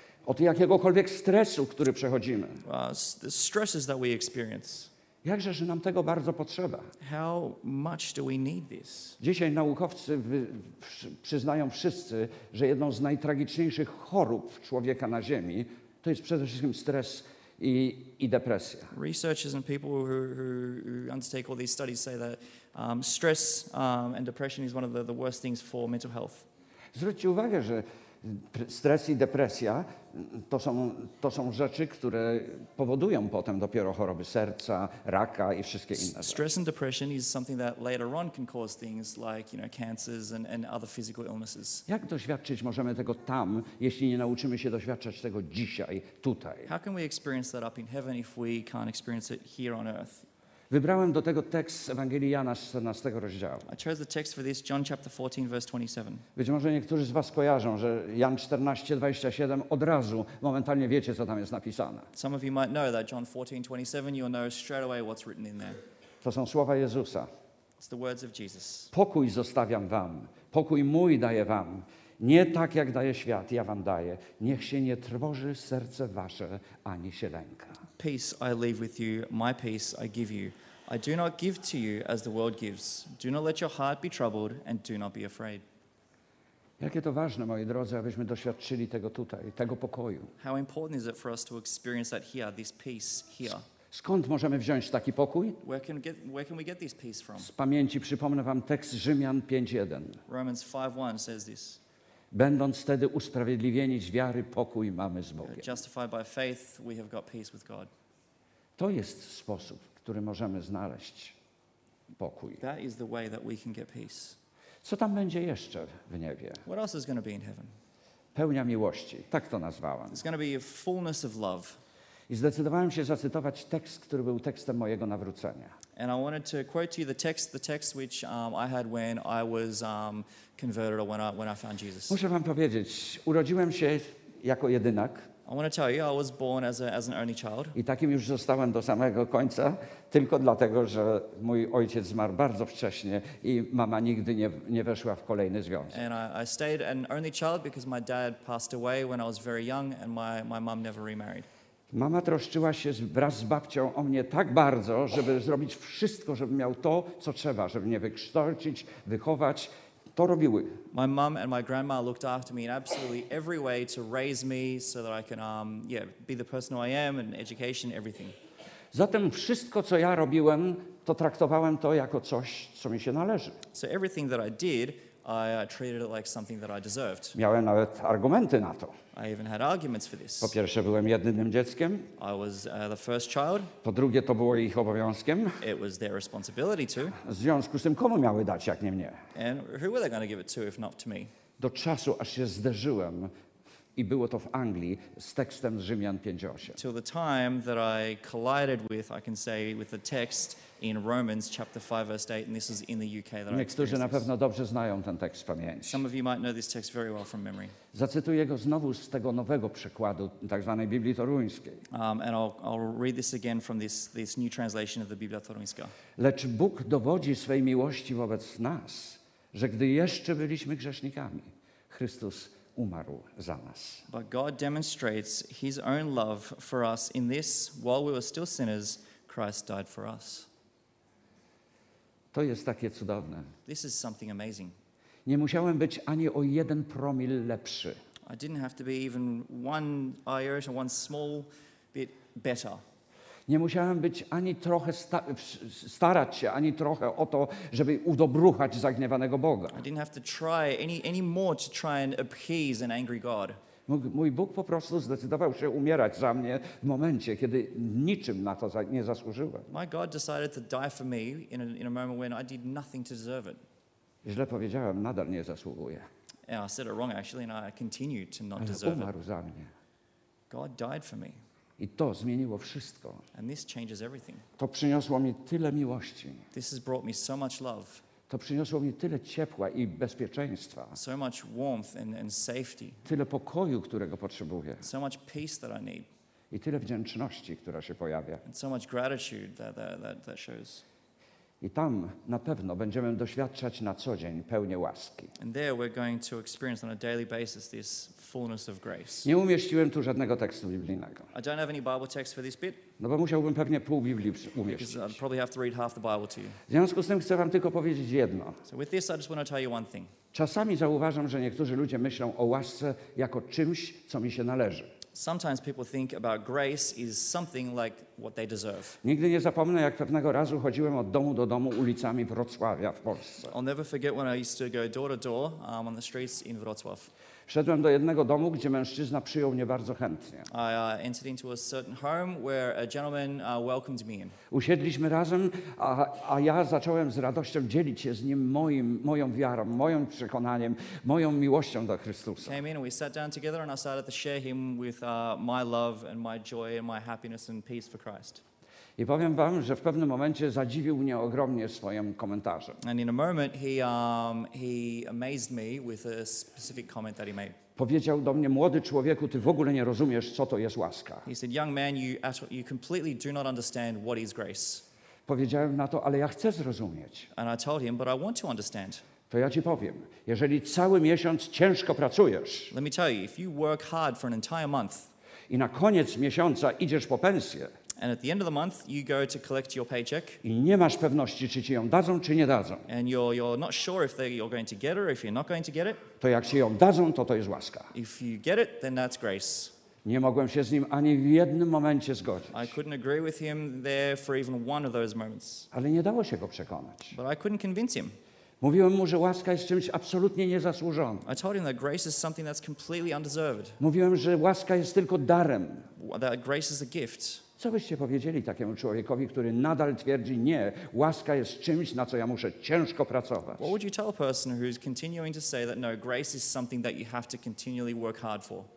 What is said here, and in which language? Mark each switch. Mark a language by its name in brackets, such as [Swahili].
[Polish] Od jakiegokolwiek stresu, który przechodzimy. [English] The stresses that we experience. [Polish] Jakże, że nam tego bardzo potrzeba. [English] How much do we need this? [Polish] Dzisiaj naukowcy przyznają wszyscy, że jedną z najtragiczniejszych chorób człowieka na Ziemi to jest przede wszystkim stres i depresja. [English] Researchers and people who undertake all these studies say that stress and depression is one of the worst things for mental health. [Polish] Zwróćcie uwagę, że stres i depresja to są rzeczy, które powodują potem dopiero choroby serca, raka i wszystkie inne. [English] Stress and depression is something that later on can cause things like, you know, cancers and other physical illnesses. [Polish] Jak doświadczyć możemy tego tam, jeśli nie nauczymy się doświadczać tego dzisiaj, tutaj? [English] How can we experience that up in heaven if we can't experience it here on earth? [Polish] Wybrałem do tego tekst Ewangelii Jana 14 rozdziału. [English] I chose the text for this, John chapter 14, verse 27. [Polish] Być może niektórzy z was kojarzą, że Jan 14, 27 od razu, momentalnie wiecie, co tam jest napisane. [English] Some of you might know that John 14, 27, you'll know straight away what's written in there. [Polish] To są słowa Jezusa. [English] It's the words of Jesus. [Polish] Pokój zostawiam wam, pokój mój daję wam. Nie tak, jak daje świat, ja wam daję. Niech się nie trwoży serce wasze, ani się lęka. [English] Peace I leave with you, my peace I give you. I do not give to you as the world gives. Do not let your heart be troubled and do not be afraid. [Polish] Jakie to ważne, moi drodzy, abyśmy doświadczyli tego tutaj, tego pokoju. [English] How important is it for us to experience that here, this peace here? [Polish] Skąd możemy wziąć taki pokój? [English] Where can we get this peace from? [Polish] Z pamięci przypomnę wam tekst Rzymian 5:1. [English] Romans 5:1 says this. [Polish] Będąc wtedy usprawiedliwieni z wiary, pokój mamy z Bogiem. [English] Justified by faith, we have got peace with God. [Polish] To jest sposób, w którym możemy znaleźć pokój. [English] That is the way that we can get peace. [Polish] Co tam będzie jeszcze w niebie? [English] What else is going to be in heaven? [Polish] Pełnia miłości, tak to nazwałem. [English] It's going to be a fullness of love. [Polish] I zdecydowałem się zacytować tekst, który był tekstem mojego nawrócenia. [English] And I wanted to quote to you the text which I had when I was converted or when I found Jesus. [Polish] Muszę wam powiedzieć, urodziłem się jako jedynak. [English] I want to tell you, I was born as an only child. [Polish] I takim już zostałem do samego końca, tylko dlatego, że mój ojciec zmarł bardzo wcześnie i mama nigdy nie weszła w kolejny związek. [English] And I stayed an only child because my dad passed away when I was very young and my mom never remarried. [Polish] Mama troszczyła się wraz z babcią o mnie tak bardzo, żeby zrobić wszystko, żeby miał to, co trzeba, żeby mnie wykształcić, wychować. To robiły. [English] My mom and my grandma looked after me in absolutely every way to raise me so that I can be the person who I am and education, everything. [Polish] Zatem wszystko, co ja robiłem, to traktowałem to jako coś, co mi się należy. [English] So everything that I did, I treated it like something that I deserved. [Polish] Miałem nawet argumenty na to. [English] I even had arguments for this. [Polish] Po pierwsze, byłem jedynym dzieckiem. [English] I was the first child. [Polish] Po drugie, to było ich obowiązkiem. [English] It was their responsibility too. [Polish] W związku z tym, komu miały dać, jak nie mnie? [English] And who were they going to give it to, if not to me? [Polish] Do czasu, aż się zderzyłem, i było to w Anglii, z tekstem z Rzymian 5:8. [English] Till the time that I collided with, I can say, with the text in Romans chapter 5, verse 8, and this is in the UK that I experienced. [Polish] Niektórzy na pewno dobrze znają ten tekst z pamięci. [English] Some of you might know this text very well from memory. [Polish] Zacytuję go znowu z tego nowego przekładu, tak zwanej Biblii Toruńskiej. [English] And I'll read this again from this new translation of the Biblia Toruńska. [Polish] Lecz Bóg dowodzi swej miłości wobec nas, że gdy jeszcze byliśmy grzesznikami, Chrystus umarł za nas. [English] But God demonstrates his own love for us in this, while we were still sinners, Christ died for us. [Polish] To jest takie cudowne. [English] This is something amazing. [Polish] Nie musiałem być ani o jeden promil lepszy. [English] I didn't have to be even one iota, one small bit better. [Polish] Nie musiałem być ani trochę starać się, ani trochę o to, żeby udobruchać zagniewanego Boga. [English] I didn't have to try any more to try and appease an angry God. [Polish] Mój Bóg po prostu zdecydował się umierać za mnie w momencie, kiedy niczym na to nie zasłużyłem. [English] My God decided to die for me in a moment when I did nothing to deserve it. [Polish] Źle powiedziałem, nadal nie zasługuję. [English] And I said it wrong actually, and I continue to not deserve it. [Polish] Umarł za mnie. [English] God died for me. [Polish] I to zmieniło wszystko. [English] And this changes everything. [Polish] To przyniosło mi tyle miłości. [English] This has brought me so much love. [Polish] To przyniosło mi tyle ciepła i bezpieczeństwa. [English] So much warmth and safety. [Polish] Tyle pokoju, którego potrzebuję. [English] So much peace that I need. [Polish] I tyle wdzięczności, która się pojawia. [English] And so much gratitude that shows. [Polish] I tam na pewno będziemy doświadczać na co dzień pełnię łaski. [English] And there we're going to experience on a daily basis this fullness of grace. [Polish] Nie umieściłem tu żadnego tekstu biblijnego. [English] I don't have any Bible text for this bit. [Polish] No bo musiałbym pewnie pół Biblii umieścić. [English] Because I'd probably have to read half the Bible to you. [Polish] W związku z tym chcę wam tylko powiedzieć jedno. [English] So with this I just want to tell you one thing. [Polish] Czasami zauważam, że niektórzy ludzie myślą o łasce jako czymś, co mi się należy. [English] Sometimes people think about grace is something like what they deserve. [Polish] Nigdy nie zapomnę, jak pewnego razu chodziłem od domu do domu ulicami Wrocławia w Polsce. [English] I'll never forget when I used to go door to door on the streets in Wrocław. [Polish] Wszedłem do jednego domu, gdzie mężczyzna przyjął mnie bardzo chętnie. [English] I entered into a certain home where a gentleman welcomed me in. [Polish] Usiedliśmy razem, a ja zacząłem z radością dzielić się z nim moją wiarą, moim przekonaniem, moją miłością do Chrystusa. [English] Came in and we sat down together and I started to share him with my love and my joy and my happiness and peace for Christ. [Polish] I powiem wam, że w pewnym momencie zadziwił mnie ogromnie swoim komentarzem. [English] And in a moment he amazed me with a specific comment that he made. [Polish] Powiedział do mnie: młody człowieku, ty w ogóle nie rozumiesz, co to jest łaska. [English] He said, young man, you completely do not understand what is grace. [Polish] Powiedziałem na to: ale ja chcę zrozumieć. [English] And I told him, but I want to understand. [Polish] To ja ci powiem, jeżeli cały miesiąc ciężko pracujesz. [English] Let me tell you, if you work hard for an entire month. [Polish] I na koniec miesiąca idziesz po pensję. [English] And at the end of the month, you go to collect your paycheck. [Polish] I nie masz pewności, czy ci ją dadzą, czy nie dadzą. [English] And you're not sure if you're going to get it or if you're not going to get it. [Polish] To jak ci ją dadzą, to jest łaska. [English] If you get it, then that's grace. [Polish] Nie mogłem się z nim ani w jednym momencie zgodzić. [English] I couldn't agree with him there for even one of those moments. [Polish] Ale nie dało się go przekonać. [English] But I couldn't convince him. [Polish] Mówiłem mu, że łaska jest czymś absolutnie niezasłużonym. [English] I told him that grace is something that's completely undeserved. [Polish] Mówiłem, że łaska jest tylko darem. [English] That grace is a gift. [Polish] Co byście powiedzieli takiemu człowiekowi, który nadal twierdzi: nie, łaska jest czymś, na co ja muszę ciężko pracować? [English] What would you tell a person who's continuing to say that no, grace is something that you have to continually work hard for?